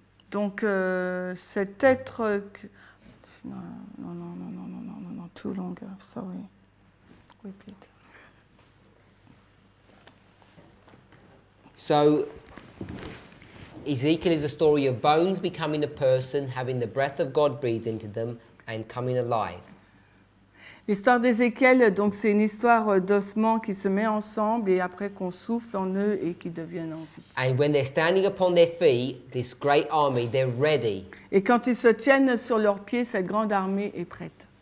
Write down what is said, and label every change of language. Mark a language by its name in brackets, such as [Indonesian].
[French] Donc cet être. Non, [English] too long. Sorry. Repeat. So. Ezekiel is a story of bones becoming a person, having the breath of God breathed into them, and coming alive. [French] L'histoire d'Ézéchiel, donc, c'est une histoire d'ossements qui se met ensemble et après qu'on souffle en eux et qui deviennent en vie. [English] And when they're standing upon their feet, this great army, they're ready. [French] Et quand ils se tiennent sur leurs pieds, cette grande armée est prête.